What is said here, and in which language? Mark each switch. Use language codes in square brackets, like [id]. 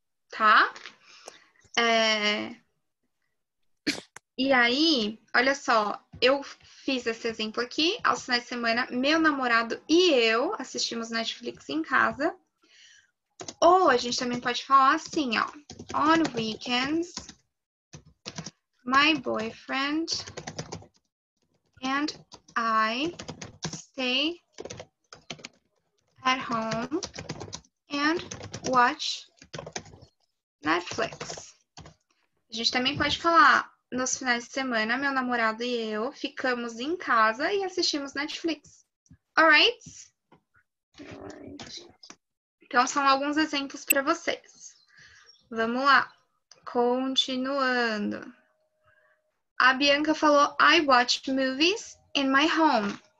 [pt] Tá? E aí, olha só. Eu fiz esse exemplo aqui, aos finais de semana, meu namorado e eu assistimos Netflix em casa. Ou a gente também pode falar assim, ó. [en] On weekends, my boyfriend and I stay at home and watch Netflix. [pt] A gente também pode falar... Nos finais de semana, meu namorado e eu ficamos em casa e assistimos Netflix. Alright? Então, são alguns exemplos para vocês. Vamos lá. Continuando. A Bianca falou, [en] I watch movies in my home.